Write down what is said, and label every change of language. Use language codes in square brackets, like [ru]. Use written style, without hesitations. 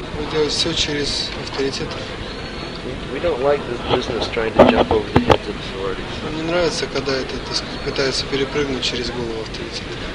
[ru] Он делает все через авторитет. [en] We don't like this business trying to jump over the heads of authorities. [ru] Нам не нравится, когда пытаются перепрыгнуть через голову авторитета.